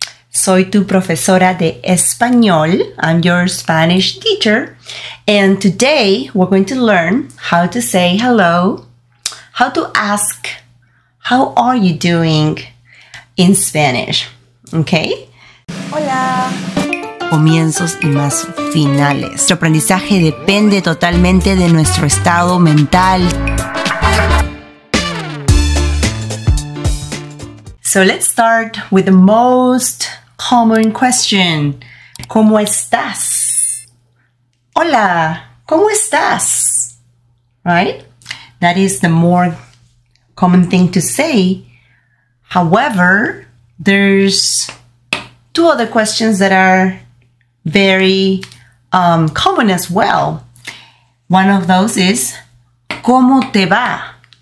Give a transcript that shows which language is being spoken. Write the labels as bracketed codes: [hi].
[es] Soy tu profesora de español. [en] I'm your Spanish teacher. And today we're going to learn how to say hello, how to ask, how are you doing in Spanish. Okay? [es] Hola. Comienzos y más finales. Nuestro aprendizaje depende totalmente de nuestro estado mental. [en] So let's start with the most common question. [es] ¿Cómo estás? Hola, ¿cómo estás? [en] Right? That is the more common thing to say. However, there's two other questions that are very common as well. One of those is, [es] ¿cómo te va?